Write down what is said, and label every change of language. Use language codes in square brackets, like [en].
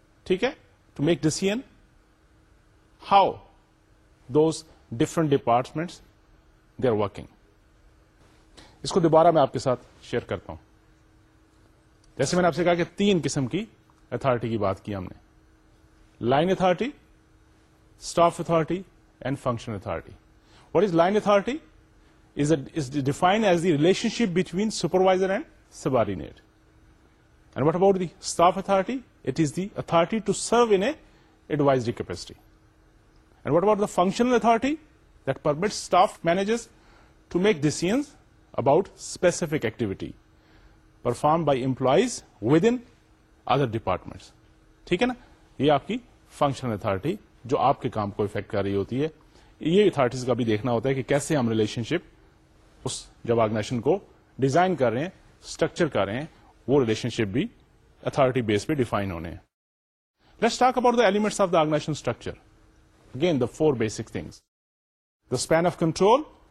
[ur] ٹھیک ہے [en] to make decision how those different departments they are working [ur] اس کو دوبارہ میں آپ کے ساتھ شیئر کرتا ہوں جیسے میں نے آپ سے کہا کہ تین قسم کی اتھارٹی کی بات کی ہم نے line authority staff authority and functional authority [en] What is line authority is defined as the relationship between supervisor and subordinate. And what about the staff authority? It is the authority to serve in a advisory capacity. And what about the functional authority? That permits staff managers to make decisions about specific activity performed by employees within other departments. [ur] ٹھیک ہے نا یہ آپ کی functional authority جو آپ کے کام کو افیکٹ کر رہی ہوتی ہے یہ اتھارٹیز کا بھی دیکھنا ہوتا ہے کہ کیسے ہم ریلیشن شپ اس جب آرگنائزیشن کو ڈیزائن کر رہے ہیں اسٹرکچر کر رہے ہیں وہ ریلیشن شپ بھی اتھارٹی بیس پہ ڈیفائن ہونے ہیں [en] let's talk about the elements of the organisation structure again the four basic things the span of control